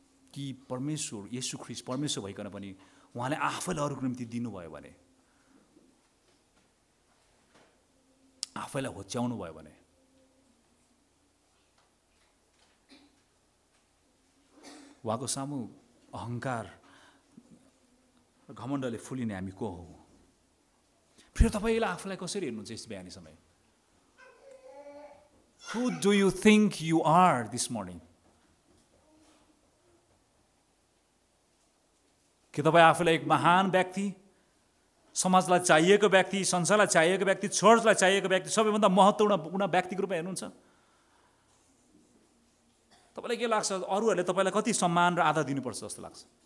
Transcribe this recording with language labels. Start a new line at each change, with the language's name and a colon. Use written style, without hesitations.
Nepali: कि परमेश्वर येशु ख्रीष्ट परमेश्वर भइकन पनि उहाँले आफैले अरूको निम्ति दिनुभयो भने, आफैलाई होच्याउनु भयो भने, उहाँको सामु अहङ्कार घमण्डले फुलिने हामी को हौ? फेरि तपाईँले आफूलाई कसरी हेर्नुहुन्छ यस बिहानी समय?
English: Who do you think you are this morning?
Nepali: के तपाईँ आफूलाई एक महान व्यक्ति, समाजलाई चाहिएको व्यक्ति, संसारलाई चाहिएको व्यक्ति, चर्चलाई चाहिएको व्यक्ति, सबैभन्दा महत्त्वपूर्ण व्यक्तिको रूपमा हेर्नुहुन्छ? तपाईँलाई के लाग्छ अरूहरूले तपाईँलाई कति सम्मान र आदर दिनुपर्छ जस्तो लाग्छ?